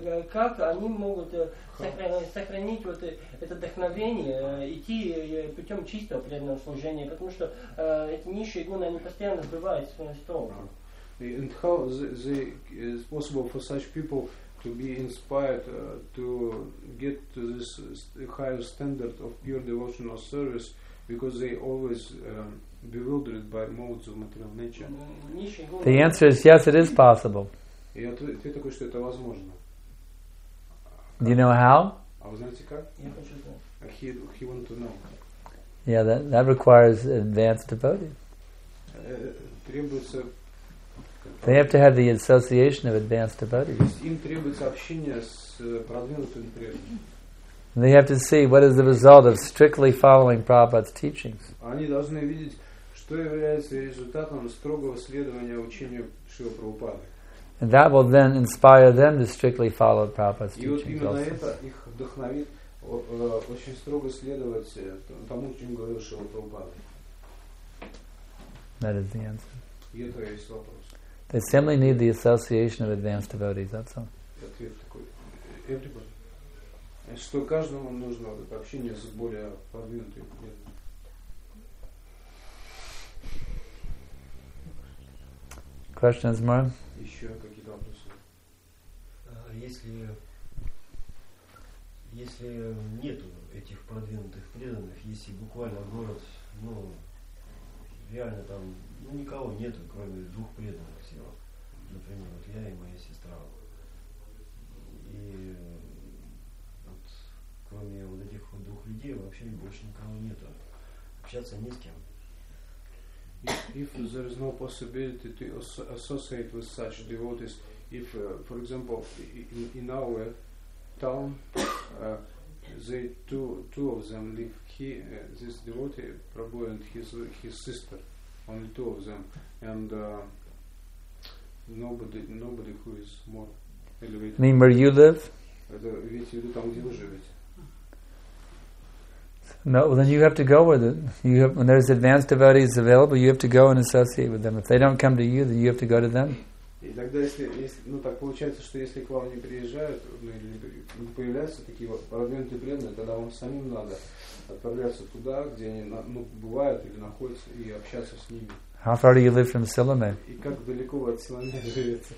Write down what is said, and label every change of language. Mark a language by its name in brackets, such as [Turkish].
[Russian] Как они могут сохранить вот это вдохновение идти путем чистого преданного служения, потому что эти низшие гуны, они постоянно сбывают свой стол. [English] And how is possible for such people to be inspired to get to this higher standard of pure devotional service, because they always bewildered by modes of material nature? The answer is yes, it is possible. [Russian] И ответ такой, что это возможно. [English] Do you know how? [Russian] А вы знаете как? Я хочу знать. [English] He wanted to know. Yeah, that requires advanced devotee. [Russian] Требуется. [English] They have to have the association of advanced devotees. [Russian] Им требуется общение с продвинутым преданным. [English] They have to see what is the result of strictly following Prabhupada's teachings. [Russian] Они должны видеть, что является результатом строгого следования учению Шрилы Прабхупады. [English] And that will then inspire them to strictly follow Prabhupada's teachings. [Russian] И вот именно это их вдохновит очень строго следовать тому, чему говорил Шрила Прабхупада. [English] That is the answer. [Russian] И это есть вопрос. [English] They simply need the association of advanced devotees, that's all. [Russian] Ответ такой. [English] Everybody. [Russian] Что каждому нужно общение с более продвинутыми. [English] Questions, Mark? [Russian] Еще какие-то вопросы? Если нету этих продвинутых преданных, если буквально город, ну, реально там, ну, никого нету, кроме двух преданных всего. Например, вот я и моя сестра. И вот кроме вот этих вот двух людей вообще больше никого нету. Общаться не с кем. [English] If there is no possibility to associate with such devotees, if, for example, in our town, they two of them live, this devotee, Prabhu, and his sister, only two of them, and nobody who is more elevated. Mean where you live? [Russian] Это ведь виду там, где вы живете. [English] No, well then you have to go with it. You have, when there's advanced devotees available, you have to go and associate with them. If they don't come to you, then you have to go to them. [Russian] И тогда, если ну так получается, что если к вам не приезжают, ну, или не появляются такие вот продвинутые преданные, тогда вам самим надо отправляться туда, где они ну, бывают или находятся, и общаться с ними. [English] How far do you live from Silame? [Russian] И как далеко вы от Силаме живете?